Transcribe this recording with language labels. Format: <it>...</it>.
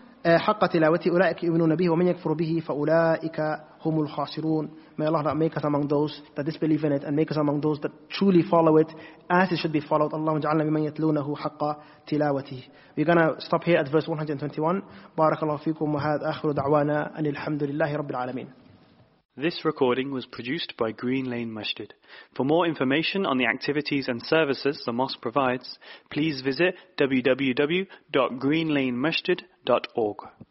<ar>حق تلاوتي أولئك يؤمنون به ومن يكفر به فأولئك هم الخاسرون.</ar> <en>May Allah not make us among those that disbelieve in it and make us among those that truly follow it as it should be followed.</en> <ar>اللهم اجعلنا ممن يتلونه حق تلاوته.</ar> <en>We're gonna stop here at verse 121.</en> <ar>بارك الله فيكم وهذا آخر دعوانا أن الحمد لله رب العالمين.</ar> <en>This recording was produced by Green Lane Masjid. For more information on the activities and services the mosque provides, please visit www.greenlanemasjid.org.</en>